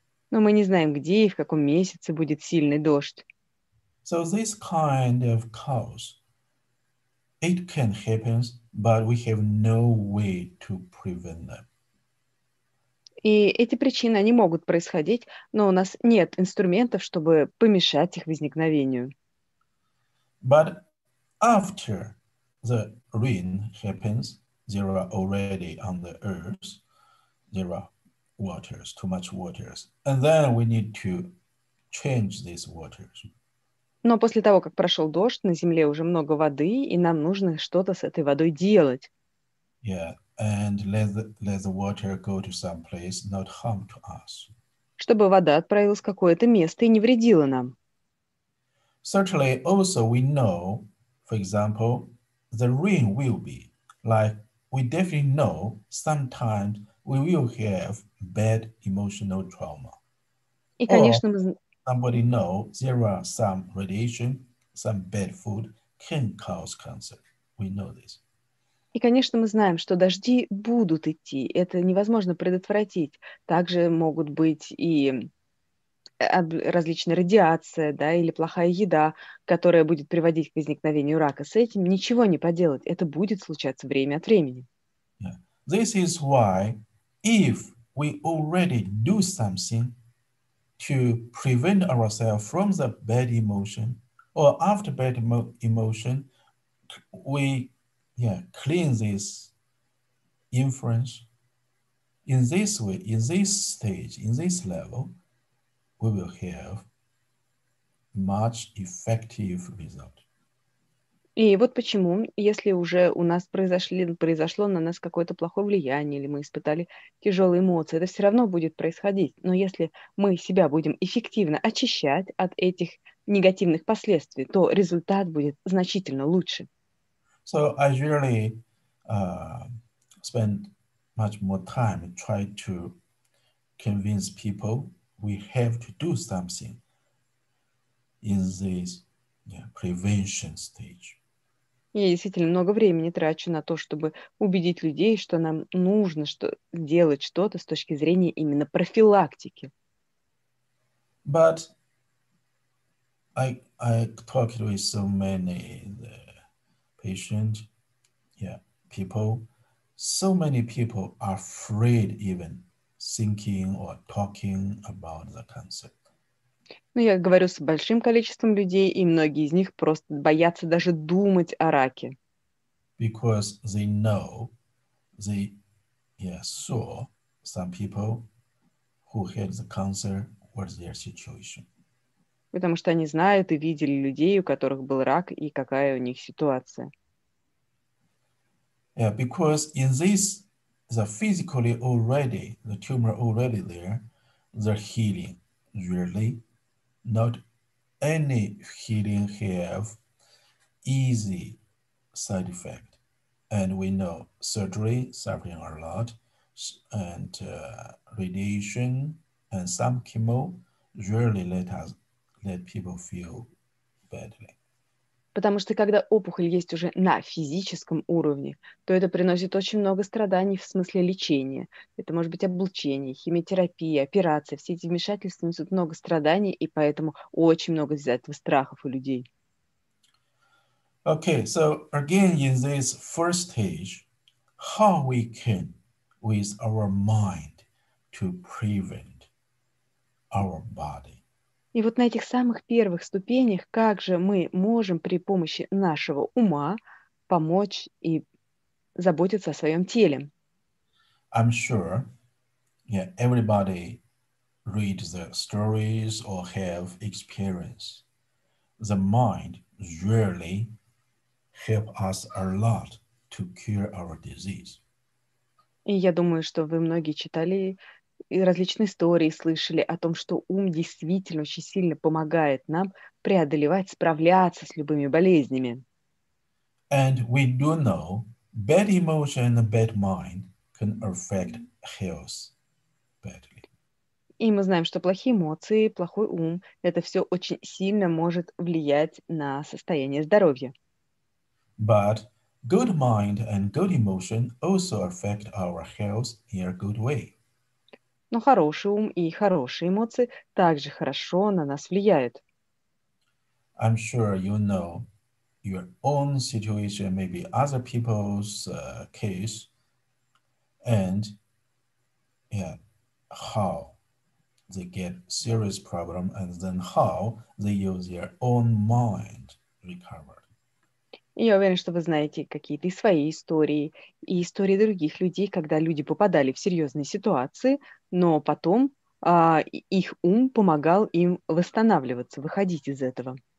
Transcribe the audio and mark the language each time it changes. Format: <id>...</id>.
<ru>Но мы не знаем, где и в каком месяце будет сильный дождь.</ru> <en>So this kind of cause, it can happen, but we have no way to prevent them.</en> <ru>И эти причины, они могут происходить, но у нас нет инструментов, чтобы помешать их возникновению.</ru> <en>But after the rain happens, there are already on the earth, there are waters, too much waters. And then we need to change these waters.</en> <ru>Но после того, как прошел дождь, на земле уже много воды, и нам нужно что-то с этой водой делать.</ru> <en>Yeah. And let the water go to some place, not harm to us.</en> <ru>Чтобы вода отправилась в какое-то место и не вредила нам.</ru> <en>Certainly, also we know, for example, the rain will be like we definitely know sometimes we will have bad emotional trauma.</en> <ru>И, конечно,</ru> <en>or somebody know there are some radiation, some bad food can cause cancer. We know this.</en> <ru>И, конечно, мы знаем, что дожди будут идти. Это невозможно предотвратить. Также могут быть и различная радиация, да, или плохая еда, которая будет приводить к возникновению рака. С этим ничего не поделать. Это будет случаться время от времени.</ru> <en>Yeah. This is why if we already do something to prevent ourselves from the bad emotion or after bad emotion, we clean this inference. In this way, in this stage, in this level, we will have much effective result.</en> <ru>И вот почему, если уже у нас произошло на нас какое-то плохое влияние, или мы испытали тяжелые эмоции, это все равно будет происходить. Но если мы себя будем эффективно очищать от этих негативных последствий, то результат будет значительно лучше.</ru> <en>So I usually spend much more time trying to convince people we have to do something in this prevention stage.</en> <ru>Я действительно много времени трачу на то, чтобы убедить людей, что нам нужно делать что-то с точки зрения именно профилактики.</ru> <en>But I talked with so many patient, people. So many people are afraid even thinking or talking about the cancer.</en> <ru>Ну, я говорю с большим количеством людей, и многие из них просто боятся даже думать о раке.</ru> <en>Because they know, they saw some people who had the cancer, what's their situation.</en> <ru>Потому что они знают и видели людей, у которых был рак, и какая у них ситуация.</ru> <en>Because in this, the physically already, the tumor already there, the healing really, not any healing have easy side effect. And we know surgery suffering a lot, and radiation and some chemo really let people feel badly.</en> <ru>Потому что когда опухоль есть уже на физическом уровне, то это приносит очень много страданий в смысле лечения. Это может быть облучение, химиотерапия, операция. Все эти вмешательства несут много страданий, и поэтому очень много из-за этого страхов у людей.</ru> <en>Okay, so again, in this first stage, how we can with our mind to prevent our body?</en> <ru>И вот на этих самых первых ступенях, как же мы можем при помощи нашего ума помочь и заботиться о своем теле?</ru> <en>I'm sure, everybody read the stories or have experience. The mind really help us a lot to cure our disease.</en> <ru>И я думаю, что вы многие читали и различные истории слышали о том, что ум действительно очень сильно помогает нам преодолевать, справляться с любыми болезнями.</ru> <en>And we do know bad emotion and bad mind can affect health badly.</en> <ru>И мы знаем, что плохие эмоции, плохой ум, это все очень сильно может влиять на состояние здоровья.</ru> <en>But good mind and good emotion also affect our health in a good way.</en> <ru>Но хороший ум и хорошие эмоции также хорошо на нас влияют.</ru> <en>I'm sure you know your own situation, maybe other people's case, and how they get serious problem and then how they use their own mind recover.</en> <ru>И я уверена, что вы знаете какие-то и свои истории, и истории других людей, когда люди попадали в серьезные ситуации, но потом их ум помогал им восстанавливаться, выходить из этого.</ru>